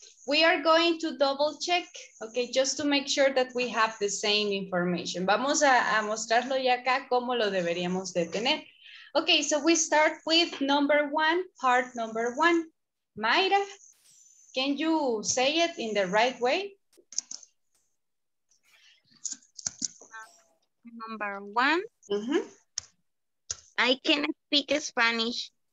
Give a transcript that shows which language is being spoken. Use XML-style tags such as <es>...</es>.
<en>We are going to double check, okay, just to make sure that we have the same information.</en> <es>Vamos a mostrarlo ya acá como lo deberíamos de tener.</es> <en>Okay, so we start with number one, part number one. Mayra, can you say it in the right way? Number one, mm-hmm. I can speak Spanish.</en>